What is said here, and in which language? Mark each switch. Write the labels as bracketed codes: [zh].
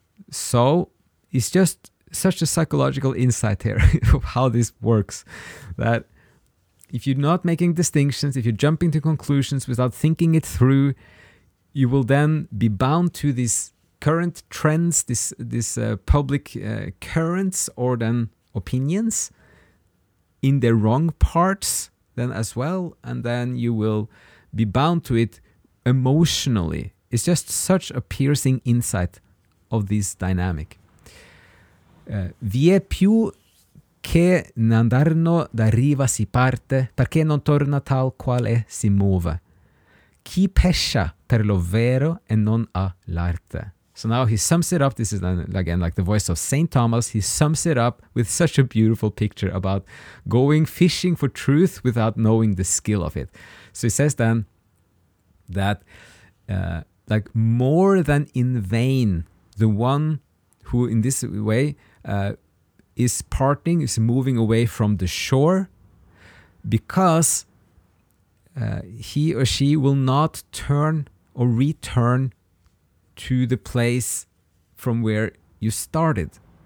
[en] So it's just such a psychological insight here of how this works, that if you're not making distinctions, if you're jumping to conclusions without thinking it through, you will then be bound to this current trends, this public currents, or then opinions in the wrong parts then as well, and then you will be bound to it emotionally. It's just such a piercing insight of this dynamic. [it] Vi è più che n'andarno da riva si parte, perché non torna tal quale si muove. Chi pescia per lo vero e non ha l'arte. [en] So now he sums it up. This is again like the voice of Saint Thomas. He sums it up with such a beautiful picture about going fishing for truth without knowing the skill of it. So he says then that like more than in vain, the one who in this way is parting, is moving away from the shore, because he or she will not turn or return to the place from where you started.